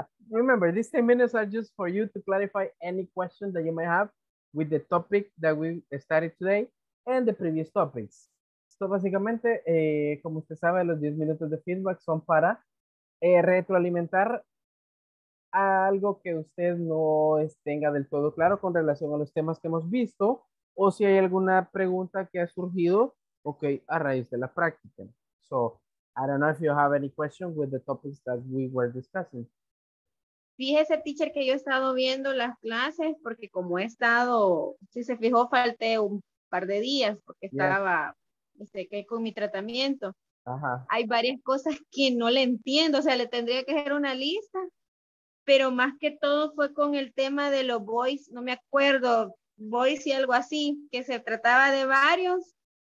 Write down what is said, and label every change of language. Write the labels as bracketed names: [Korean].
[English] Remember, these 10 minutes are just for you to clarify any question that you might have with the topic that we started today and the previous topics. [Spanish] So básicamente, como usted sabe, los 10 minutos de feedback son para retroalimentar algo que usted no tenga del todo claro con relación a los temas que hemos visto, o si hay alguna pregunta que ha surgido, okay, a raíz de la práctica. [English] So I don't know if you have any questions with the topics that we were discussing. [Spanish] Fíjese, teacher, que yo he estado viendo las clases porque como he estado, si se fijó, falté un par de días porque estaba con mi tratamiento. Ajá. Hay varias cosas que no le entiendo, o sea, le tendría que hacer una lista, pero más que todo fue con el tema de los boys, no me acuerdo, boys y algo así, que se trataba de varios.